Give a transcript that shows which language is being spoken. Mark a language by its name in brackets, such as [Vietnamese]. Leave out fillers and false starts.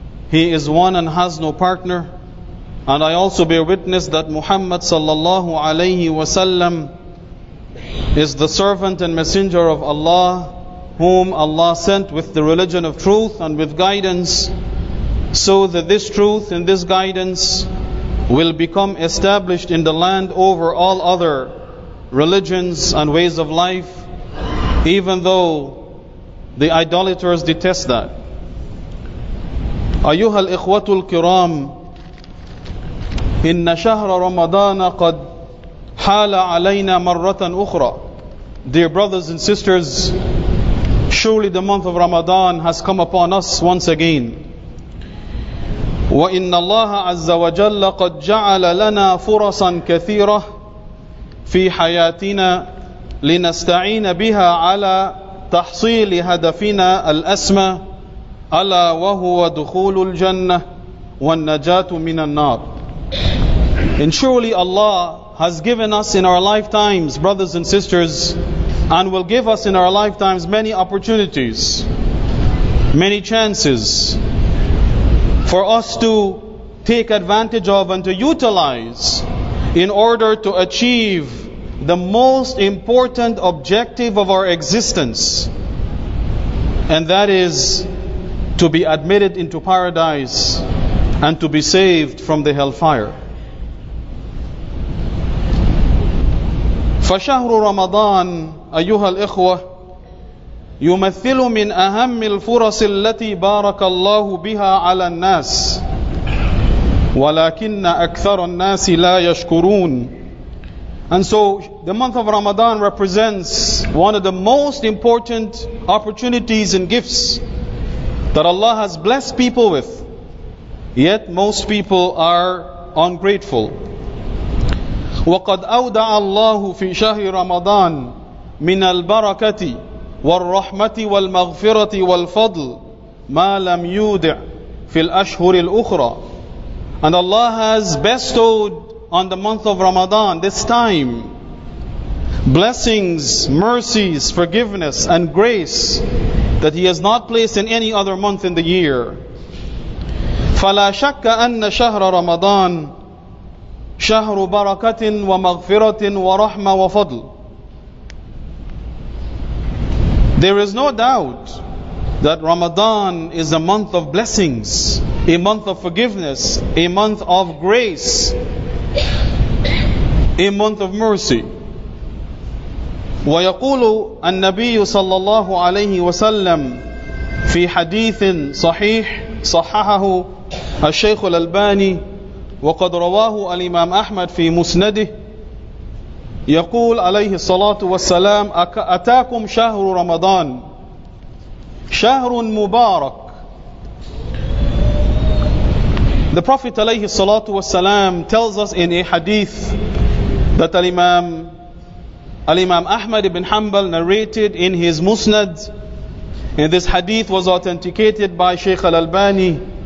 [English] He is one and has no partner. And I also bear witness that Muhammad sallallahu alayhi wa sallam is the servant and messenger of Allah, whom Allah sent with the religion of truth and with guidance, so that this truth and this guidance will become established in the land over all other religions and ways of life, even though the idolaters detest that. [Arabic] أيها الإخوة الكرام، إن شهر رمضان قد حال علينا مرة أخرى. [English] Dear brothers and sisters, surely the month of Ramadan has come upon us once again. [Arabic] وإن الله عز وجل قد جعل لنا فرصا كثيرة في حياتنا لنستعين بها على تحصيل هدفنا الأسمى، ألا وهو دخول الجنة والنجاة من النار. [English] And surely Allah has given us in our lifetimes, brothers and sisters, and will give us in our lifetimes many opportunities, many chances for us to take advantage of and to utilize in order to achieve the most important objective of our existence, and that is to be admitted into paradise and to be saved from the hellfire. [Arabic] فشهر رمضان أيها الإخوة يمثل من أهم الفرص التي بارك الله بها على الناس، ولكن أكثر الناس لا يشكرون. [English] And so the month of Ramadan represents one of the most important opportunities and gifts that Allah has blessed people with. Yet most people are ungrateful. [Arabic] وَقَدْ أَوْدَعَ اللَّهُ فِي شَهْرِ رَمَضَانِ مِنَ الْبَرَكَةِ وَالرَّحْمَةِ وَالْمَغْفِرَةِ وَالْفَضْلِ مَا لَمْ يُودِعْ فِي الْأَشْهُرِ الْأُخْرَى. [English] And Allah has bestowed on the month of Ramadan, this time, blessings, mercies, forgiveness, and grace that He has not placed in any other month in the year. [Arabic] فَلَا شَكَّ أَنَّ شَهْرَ رَمَضَانِ شهر بركة ومغفرة ورحمة وفضل. [English] There is no doubt that Ramadan is a month of blessings, a month of forgiveness, a month of grace, a month of mercy. [Arabic] ويقول النبي صلى الله عليه وسلم في حديث صحيح صححه الشيخ الألباني وقد رواه الإمام أحمد في مسنده يقول عليه الصلاة والسلام: أتاكم شهر رمضان شهر مبارك. [English] The Prophet [Arabic] عليه الصلاة والسلام [English] tells us in a hadith that Al-Imam Ahmad ibn Hanbal narrated in his Musnad, and this hadith was authenticated by Shaykh Al-Albani.